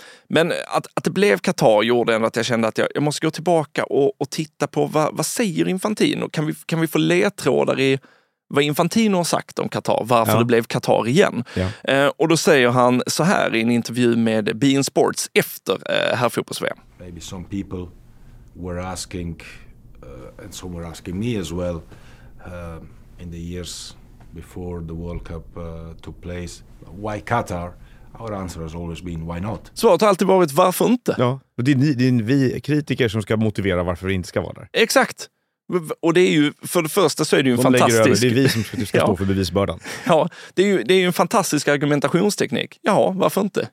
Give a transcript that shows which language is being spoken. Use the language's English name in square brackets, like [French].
[Swedish] Men att det blev Qatar gjorde ändå att jag kände att jag måste gå tillbaka och titta på vad säger Infantino? Kan vi få ledtrådar i vad Infantino har sagt om Qatar? Varför, ja, det blev Qatar igen? Ja. Och då säger han så här i en intervju med Bein Sports efter här fotbolls-VM. [English] Maybe some people were asking and some were asking me as well in the years before the World Cup took place. Why Qatar? Our answer has always been, why not? [Swedish] Svaret har alltid varit, varför inte? Ja, och det är vi kritiker som ska motivera varför vi inte ska vara där. Exakt. Och det är ju, för det första så är det ju en fantastisk... Det är vi som ska stå för bevisbördan. Ja, det är ju en fantastisk argumentationsteknik. Jaha, varför inte?